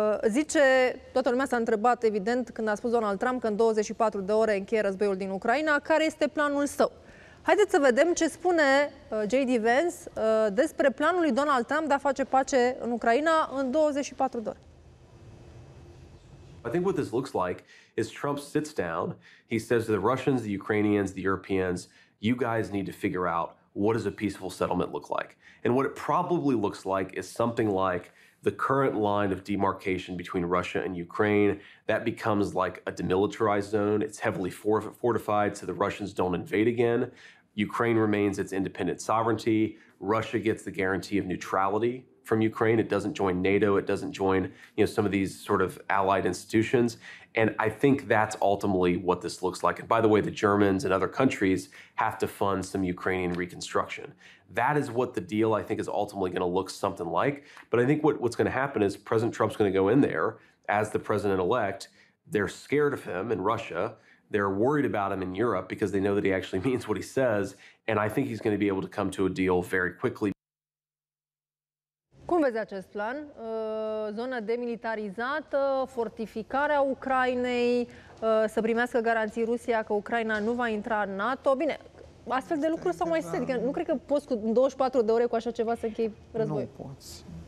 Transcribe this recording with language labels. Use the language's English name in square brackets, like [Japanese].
[Romanian] Zice, toată lumea s-a întrebat, evident, când a spus Donald Trump că în 24 de ore încheie războiul din Ucraina, care este planul său. Haideți să vedem ce spune J.D. Vance despre planul lui Donald Trump de a face pace în Ucraina în 24 de ore. [English] I think what this looks like is Trump sits down, he says to the Russians, the Ukrainians, the Europeans, you guys need to figure out what does a peaceful settlement look like. And what it probably looks like is something like the current line of demarcation between Russia and Ukraine. That becomes like a demilitarized zone. It's heavily fortified so the Russians don't invade again. Ukraine remains its independent sovereignty. Russia gets the guarantee of neutrality from Ukraine. It doesn't join NATO. It doesn't join, you know, some of these sort of allied institutions. And I think that's ultimately what this looks like. And by the way, the Germans and other countries have to fund some Ukrainian reconstruction. That is what the deal, I think, is ultimately going to look something like. But I think what's going to happen is President Trump's going to go in there as the president-elect. They're scared of him in Russia. They're worried about him in Europe because they know that he actually means what he says. And I think he's going to be able to come to a deal very quickly. [Romanian] Cum vezi acest plan? Zonă demilitarizată, fortificarea Ucrainei, să primească garanții Rusia că Ucraina nu va intra în NATO? Bine, astfel de lucruri sau mai este? Adică nu cred că poți cu 24 de ore cu așa ceva să închei război. Nu poți.